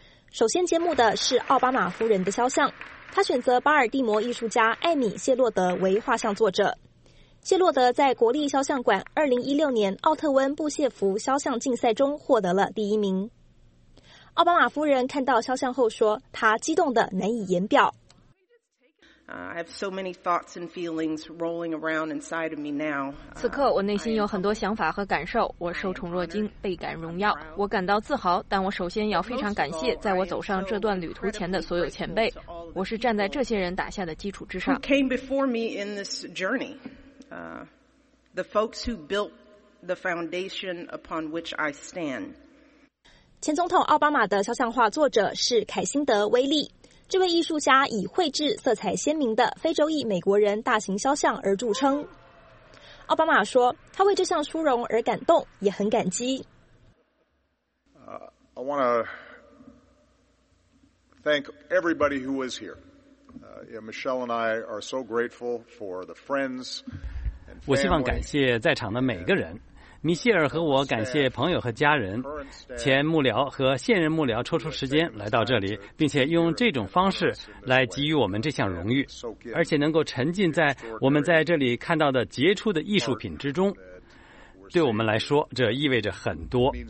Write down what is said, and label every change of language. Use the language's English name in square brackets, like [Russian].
[Chinese] 首先揭幕的是奥巴马夫人的肖像，他选择巴尔的摩艺术家艾米·谢洛德为画像作者。谢洛德在国立肖像馆2016年奥特温布谢福肖像竞赛中获得了第一名。奥巴马夫人看到肖像后说，她激动得难以言表。 [English] I have so many thoughts and feelings rolling around inside of me now. [Chinese] 此刻我内心有很多想法和感受，我受宠若惊，倍感荣耀，我感到自豪，但我首先要非常感谢在我走上这段旅途前的所有前辈，我是站在这些人打下的基础之上。 [English] Who came before me in this journey? The folks who built the foundation upon which I stand. [Chinese] 前总统奥巴马的肖像画作者是凯辛德·威利。这位艺术家以绘制色彩鲜明的非洲裔美国人大型肖像而著称。奥巴马说，他为这项殊荣而感动，也很感激。 [English] I want to thank everybody who is here. Michelle and I are so grateful for the friends. [Chinese] 我希望感谢在场的每个人。米歇尔和我感谢朋友和家人，前幕僚和现任幕僚抽出时间来到这里，并且用这种方式来给予我们这项荣誉，而且能够沉浸在我们在这里看到的杰出的艺术品之中，对我们来说这意味着很多。